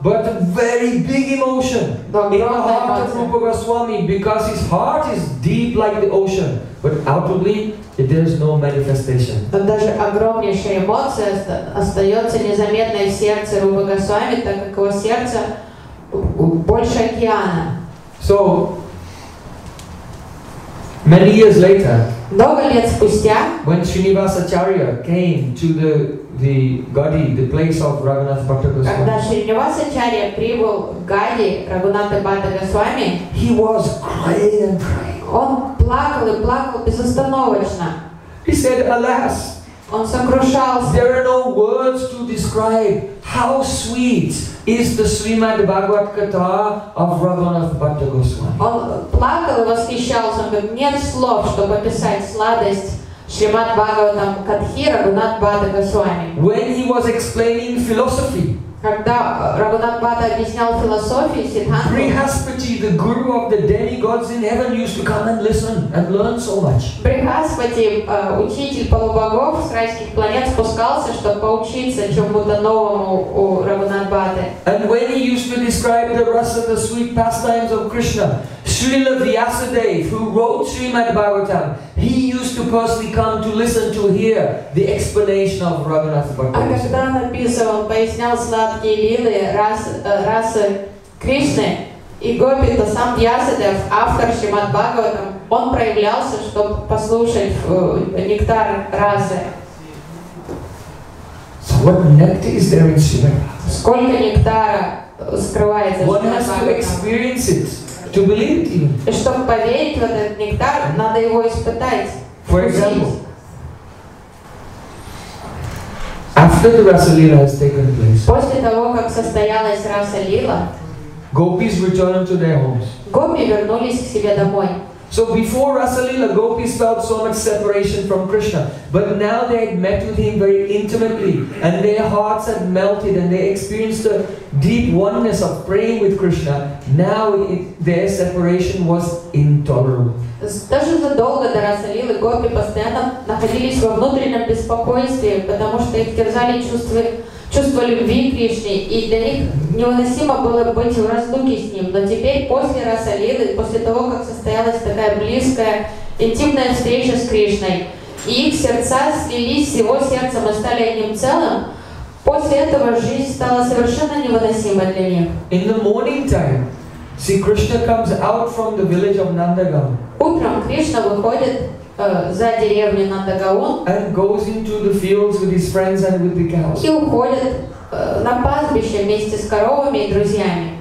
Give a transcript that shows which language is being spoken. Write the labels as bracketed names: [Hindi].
[English] But a very big emotion in the heart of Rupa Goswami, because his heart is deep like the ocean, but outwardly there is no manifestation. [Russian] Но даже огромнейшая эмоция остается незаметной в сердце Рупа Госвами, так как его сердце больше океана. [English] So many years later, [Russian] много лет спустя, [English] when Srinivasacharya came to the Gadi, the place of Raghunath Bhatta Goswami, [Russian] когда Шринивасачарья прибыл в Гади Рагхунатха Бхатта Госвами, [English] he was crying and crying. [Russian] Он плакал и плакал безостановочно. [English] He said, "Alas!" [Russian] Он сокрушался. [English] There are no words to describe how sweet is the Srimad Bhagavat Katha of Raghunath Bhatta Goswami. [Russian] Он плакал и восхищался, он говорит, нет слов, чтобы описать сладость Шримад Бхагаватам Катхи Рагхунатха Бхатта Госвами. [English] When he was explaining philosophy, [Russian] когда Рагхунатха Бхатта объяснял философию, сиддханту, [English] Брихаспати, the guru of the demigods in heaven, used to come and listen and learn so much. [Russian] Брихаспати, учитель полубогов с райских планет, спускался, чтобы поучиться чему-то новому у Рагхунатха Бхатты. [English] And when he used to describe the rasa, the sweet pastimes of Krishna, Srila Vyasadeva, who wrote Srimad Bhagavatam, he used to personally come to listen to hear the explanation of Raghunatha Bhatta. [Russian] А когда он описывал, пояснял сладкие лилы расы Кришны, и гопи, то сам Вьясадев, автор Шримад Бхагаватам, он проявлялся, чтобы послушать нектар расы. [English] So what nectar is there in Srimad Bhagavatam? [Russian] Сколько нектара скрывается в Шримад [English] Бхагаватам? One has to experience it. To believe it even. [Russian] И чтобы поверить в этот нектар, надо его испытать. [English] For example, after the Rasa Lila has taken place, [Russian] после того, как состоялась Раса Лила, [English] gopis returned to their homes. [Russian] Гопи вернулись к себе домой. [English] So before Rasa Lila, gopis felt so much separation from Krishna. But now they had met with him very intimately, and their hearts had melted, and they experienced a deep oneness of praying with Krishna. Now their separation was intolerable. [Russian] Даже задолго до Раса Лилы гопи постоянно находились во внутреннем беспокойстве, потому что их терзали чувства любви к Кришне, и для них невыносимо было быть в разлуке с ним. Но теперь, после Раса Лилы, после того, как состоялась такая близкая, интимная встреча с Кришной, и их сердца слились с его сердцем и стали одним целым, после этого жизнь стала совершенно невыносимой для них. [English] In the morning time, see, Krishna comes out from the village of Nandagaon. [Russian] Утром Кришна выходит за деревню Нандагаон. [English] And goes into the fields with his friends and with the cows. [Russian] И уходит на пастбище вместе с коровами и друзьями.